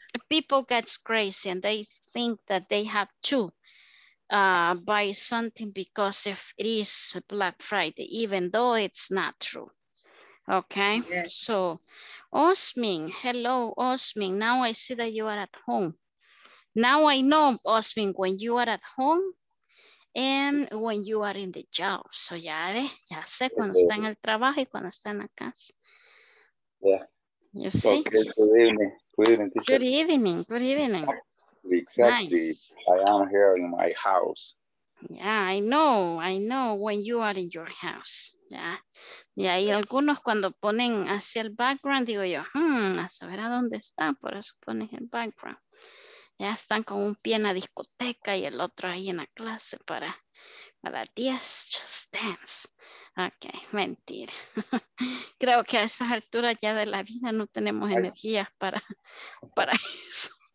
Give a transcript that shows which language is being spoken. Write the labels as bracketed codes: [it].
[en] People get crazy and they think that they have to buy something because if it is Black Friday, even though it's not true. Okay. Yeah. So Osmin, hello, Osmin. Now I see that you are at home. Now I know, Osmin, when you are at home and when you are in the job. [es] So ya ve, ya sé cuando está en el trabajo y cuando está en la casa. [en] Yeah. You see? Okay, good evening. Good evening, teacher. Good evening. Exactly. Nice. I am here in my house. Yeah, I know. I know when you are in your house. Yeah. [es] Yeah, y algunos cuando ponen hacia el background, digo yo, a saber a dónde está, por eso pones el background. Ya están con un pie en la discoteca y el otro ahí en la clase para 10, [en] just dance. [es] Ok, mentira. Creo que a estas alturas ya de la vida no tenemos energías para eso.